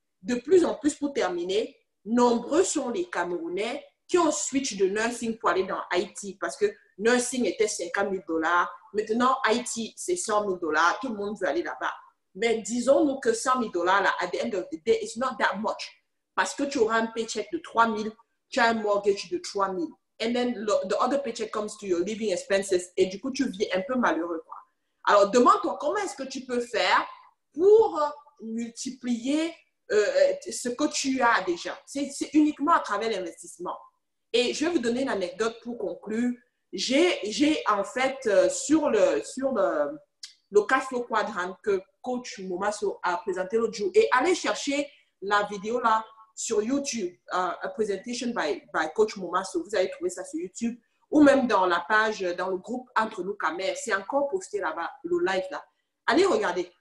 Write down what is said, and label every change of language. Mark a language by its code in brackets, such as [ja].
[fr] De plus en plus, pour terminer, nombreux sont les Camerounais qui ont switch de nursing pour aller dans IT parce que nursing était 50 000 $. Maintenant, IT, c'est 100 000 $. Tout le monde veut aller là-bas. Mais disons-nous que 100 000 $, là, [en] at the end of the day, it's not that much. [fr] Parce que tu auras un paycheck de 3 000, tu as un mortgage de 3 000. [en] And then the other paycheck comes to your living expenses. [fr] Et du coup, tu vis un peu malheureux, quoi. Alors, demande-toi, comment est-ce que tu peux faire pour multiplier ce que tu as déjà? C'est uniquement à travers l'investissement. Et je vais vous donner une anecdote pour conclure. J'ai en fait sur le cash flow quadrant que coach Momaso a présenté l'autre jour, et allez chercher la vidéo là sur YouTube, [en] a presentation by coach Momaso, [fr] vous allez trouver ça sur YouTube ou même dans la page, dans le groupe Entre nous Kamer, c'est encore posté là-bas, le live là, allez regarder.